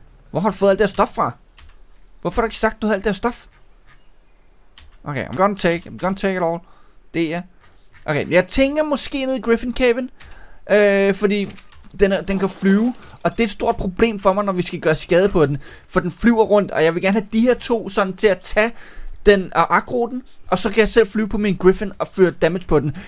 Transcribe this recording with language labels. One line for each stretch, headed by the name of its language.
Danish: Hvor har du fået alt det stof fra? Hvorfor har du ikke sagt, du havde alt det stof?
English: Okay, I'm gonna take it all.
Danish: Det er. Okay, jeg tænker måske ned i Griffin Cave'en. Fordi den kan flyve. Og det er et stort problem for mig, når vi skal gøre skade på den. For den flyver rundt. Og jeg vil gerne have de her to sådan til at tage den og aggro den, og så kan jeg selv flyve på min Griffin og føre damage på den.